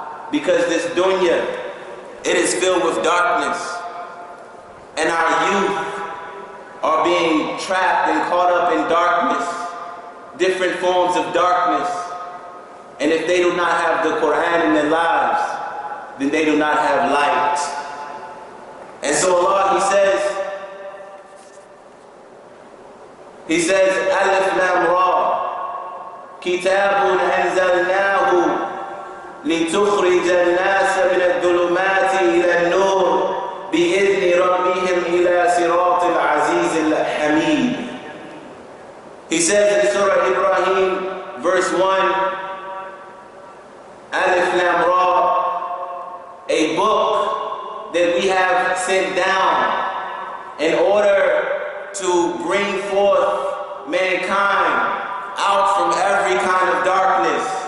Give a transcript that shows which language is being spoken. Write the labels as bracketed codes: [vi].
[en] Because this dunya, it is filled with darkness, and our youth are being trapped and caught up in darkness, different forms of darkness. And if they do not have the Qur'an in their lives, then they do not have light. And so Allah, He says, [ar] Alif Lam Ra, Kitabun Anzalnahu لتخرج الناس من الظلمات إلى النور بإذن ربهم إلى صراط العزيز الحميد. [en] He says in Surah Ibrahim, verse 1, Alif Lam Ra, a book that we have sent down in order to bring forth mankind out from every kind of darkness